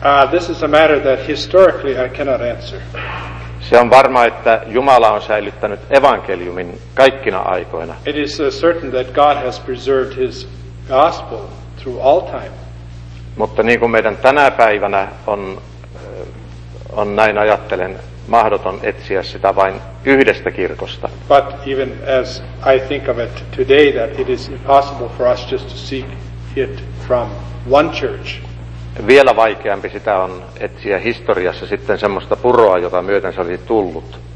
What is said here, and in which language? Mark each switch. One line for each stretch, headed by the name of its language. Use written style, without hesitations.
English: This is a matter that historically I cannot answer.
Finnish: Se on varma, että Jumala on säilyttänyt evankeliumin kaikkina aikoina.
English: It is certain that God has preserved his gospel through all time.
Finnish: Mutta niin kuin meidän tänä päivänä on näin ajattelen, mahdoton etsiä sitä vain yhdestä kirkosta.
English: But even as I think of it today, that it is impossible for us just to seek it from one church.
Finnish: Vielä vaikeampi sitä on etsiä historiassa sitten semmoista puroa, jota myöten se olisi tullut.